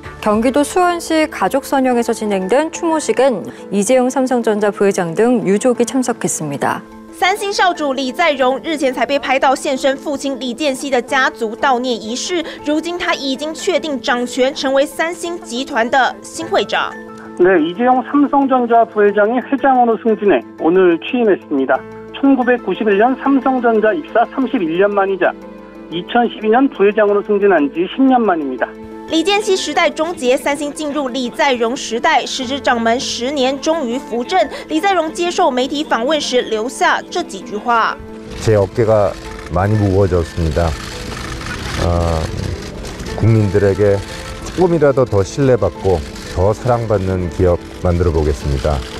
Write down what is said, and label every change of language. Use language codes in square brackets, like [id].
[ko] 경기도수원시가족선영에서진행된추모식은이재용삼성전자부회장등유족이참석했습니다 [zh] 三星少主李在镕日前才被拍到现身父亲李健熙的家族悼念仪式，如今他已经确定掌权，成为三星集团的新会长。 [ko] 네이재용삼성전자부회장이회장으로승진해오늘취임했습니다1991년삼성전자입사31년만이자2012년부회장으로승진한지10년만입니다 [zh] 李健熙时代终结，三星进入李在镕时代，时值掌门十年，终于扶正。李在镕接受媒体访问时留下这几句话：“ [ko] 제어깨가많이무거워졌습니다국민들에게조금이라도더신뢰받고더사랑받는기업만들어보겠습니다